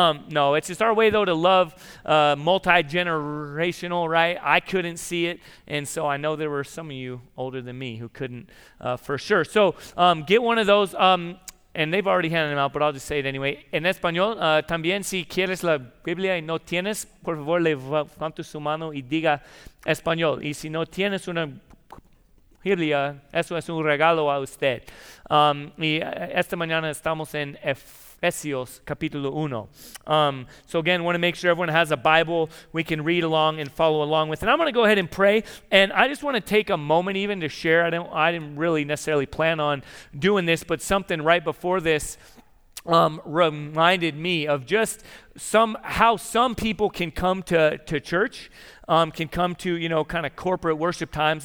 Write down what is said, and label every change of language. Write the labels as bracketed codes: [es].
[en] No, it's just our way, though, to love multi-generational, right? I couldn't see it, and so I know there were some of you older than me who couldn't for sure. So get one of those, and they've already handed them out, but I'll just say it anyway. [es] En español, también si quieres la Biblia y no tienes, por favor, levante su mano y diga español. Y si no tienes una Biblia, eso es un regalo a usted. Y esta mañana estamos en Ephesians capítulo 1. [en] So again, want to make sure everyone has a Bible we can read along and follow along with. And I'm going to go ahead and pray. And I just want to take a moment even to share. I didn't really necessarily plan on doing this, but something right before this reminded me of just how some people can come to church, can come to, you know, kind of corporate worship times.